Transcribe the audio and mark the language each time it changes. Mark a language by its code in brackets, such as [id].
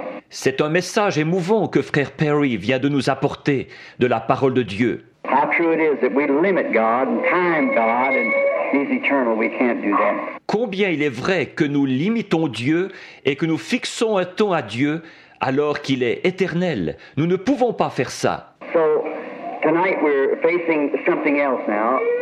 [fr] C'est un message émouvant que Frère Perry vient de nous apporter de la parole de Dieu. [en] How true it is that we limit God and time God and He's eternal, we can't do that. [fr] Combien il est vrai que nous limitons Dieu et que nous fixons un temps à Dieu alors qu'il est éternel. Nous ne pouvons pas faire ça. [en] So, tonight we're facing something else now.